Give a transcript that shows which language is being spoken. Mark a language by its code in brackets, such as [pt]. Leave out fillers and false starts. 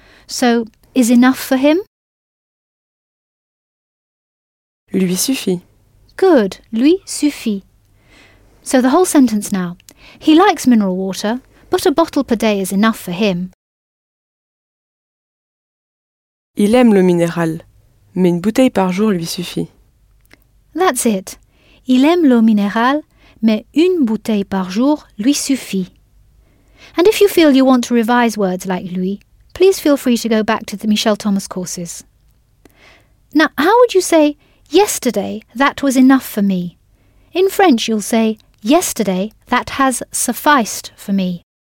[en] So, is enough for him? [fr] Lui suffit. [en] Good, [fr] lui suffit. [en] So the whole sentence now. He likes mineral water, but a bottle per day is enough for him. [fr] Il aime le minéral, mais une bouteille par jour lui suffit. [en] That's it. [fr] Il aime l'eau minérale, mais une bouteille par jour lui suffit. [en] And if you feel you want to revise words like lui, please feel free to go back to the Michel Thomas courses. Now, how would you say, yesterday, that was enough for me? In French, you'll say, yesterday, that has sufficed for me.